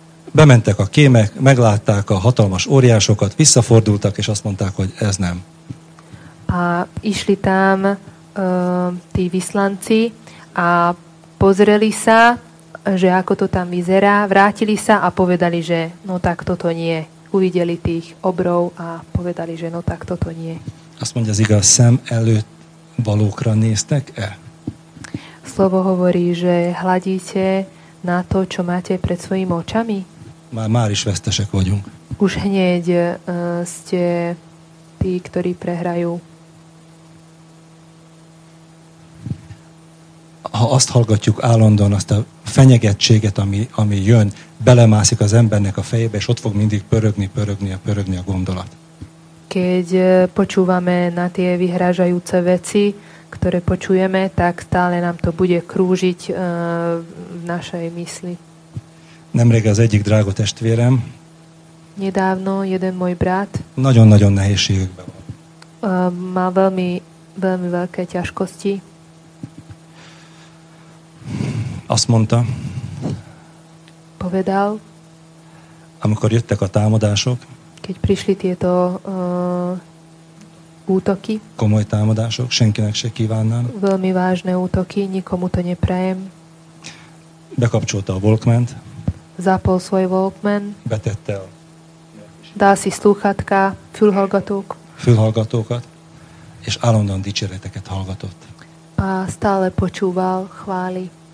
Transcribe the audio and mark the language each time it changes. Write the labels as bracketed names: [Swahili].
[Hungarian] Bementek a kémek, meglátták a hatalmas óriásokat, visszafordultak, és azt mondták, hogy ez nem. [Slovak] A išli tam tí vyslanci a pozreli sa, že ako to tam vyzerá, vrátili sa a povedali, že no tak toto nie. Uvideli tých obrov a povedali, že no tak toto nie. [Hungarian] Azt mondja, az igaz, szem előtt valókra néztek-e? [Slovak] Slovo hovorí, že hladíte na to, čo máte pred svojimi očami. [Hungarian] Már is vesztesek vagyunk. [Slovak] Už hneď ste tí, ktorí prehrajú. [Hungarian] Ha azt hallgatjuk állandóan, azt a fenyegetséget, ami jön, belemászik az embernek a fejébe, és ott fog mindig pörögni a gondolat. [Slovak] Keď počúvame na tie vyhrážajúce veci, ktoré počujeme, tak stále nám to bude krúžiť v našej mysli. [Hungarian] Nemrég az egyik drága testvérem. [Slovak] Nedávno jeden môj brat. [Hungarian] Nagyon-nagyon nehézségekben van. [Slovak] Mal veľmi, veľmi veľké ťažkosti. [Hungarian] Azt mondta. [Slovak] Povedal. [Hungarian] Amikor jöttek a támadások. [Slovak] Keď prišli tieto útoky. [Hungarian] Komoly támadások, senkinek se kívánnám. [Slovak] Veľmi vážne útoky, nikomu to neprajem. [Hungarian] Bekapcsolta a Walkman-t. [Slovak] Zapol svoj Walkman. [Hungarian] Betette a... [Slovak] Dál si slúchatka, [Hungarian] fülhallgatók. Fülhallgatókat. És állandóan dicséreteket hallgatott. [Slovak] A stále počúval chvály.